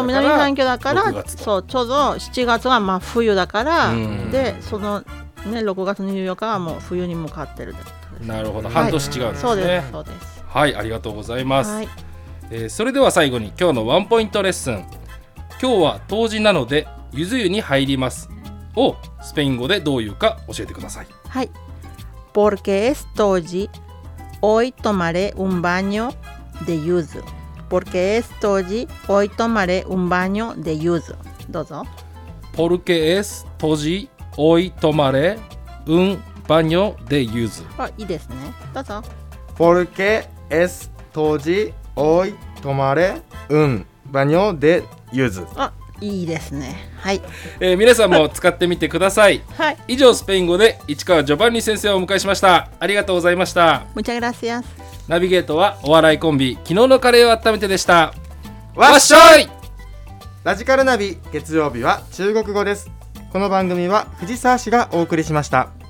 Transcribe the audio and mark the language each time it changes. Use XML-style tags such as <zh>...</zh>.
<ja>そう、南半球だから、そう、ちょうど7月はまあ冬だから、でその、ね、6月24日はもう冬に向かってるってことです。なるほど、半年違うんですね、はい、そうです、そうです。はい、ありがとうございます、はい、それでは最後に今日のワンポイントレッスン。今日は冬至なのでゆず湯に入りますをスペイン語でどういうか教えてください。</ja> <es>はい、 Porque es Toji Hoy tomaré un baño de yuzu. Porque es Toji Hoy tomaré un baño de yuzu.</es> <ja>どうぞ。</ja> <es>Porque es Toji Hoy tomaré un baño de yuzu.</es> <ja>あ、いいですね、どうぞ。</ja> <es>Porque es Toji Hoy tomaré un baño de yuzu.</es> <ja>あ、いいですね、はい、皆さんも使ってみてください。はい、以上スペイン語で市川ジョバンニ先生をお迎えしました。ありがとうございました。</ja> <es>むちゃぐらしやす。</es> <ja>ナビゲートはお笑いコンビ昨日のカレーを温めてでした。わっしょい。ラジカルナビ月曜日は中国語です。この番組は藤沢市がお送りしました。</ja>